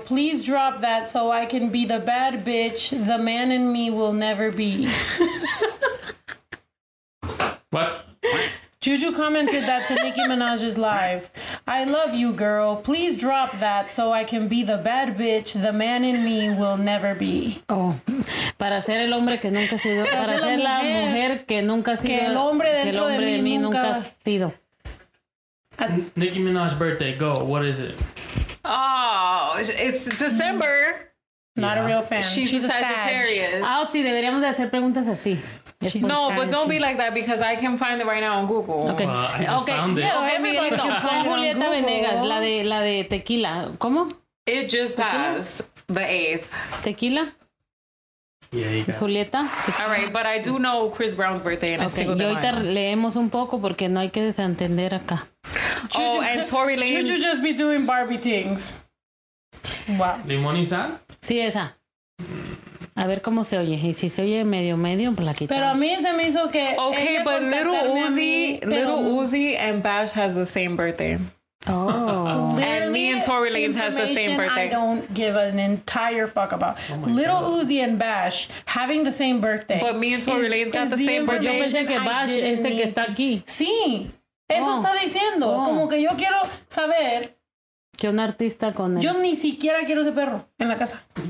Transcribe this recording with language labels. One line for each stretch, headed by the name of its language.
English: Please drop that so I can be the bad bitch the man in me will never be. What? Juju commented that to Nicki Minaj's live. I love you, girl. Please drop that so I can be the bad bitch the man in me will never be. Oh.
Spanish: Para ser el hombre que nunca ha sido. Para ser la mujer que nunca ha sido. Que el hombre dentro que el hombre de mí nunca ha sido.
English: Nicki Minaj's birthday, go. What is it? Oh, it's December. Not yeah. A real fan. She's a Sagittarius.
Spanish: Oh, sí, deberíamos de hacer preguntas así.
English: No, but don't be like that because I can find it right now on Google. Okay. I just found it. Yeah, okay,
Spanish: Miguelito. Julieta Venegas, la de tequila. ¿Cómo?
English: It just passed the 8th. Tequila? Yeah, you Julieta. All right, but I do know Chris Brown's birthday. And
Spanish: okay, y ahorita leemos un poco porque no hay que desentender acá.
English: Oh, and Tory Lanez. Juju just be doing Barbie things.
Spanish: Wow. ¿Limón y sal? Sí, esa. A ver cómo se oye. Y si se oye medio, pues la quitamos. Pero a mí se me hizo que...
English: Okay, but Little Uzi and Bash has the same birthday. Oh, and me and Tory Lanez has the same birthday. I don't give an entire fuck about Little Uzi and Bash having the same birthday. But me and Tory Lanez got the same birthday.
Spanish: Yo pensé que Bash es el que está aquí. Sí, eso está diciendo. Como que yo quiero saber que un artista con él. Yo ni siquiera quiero ese perro en la casa.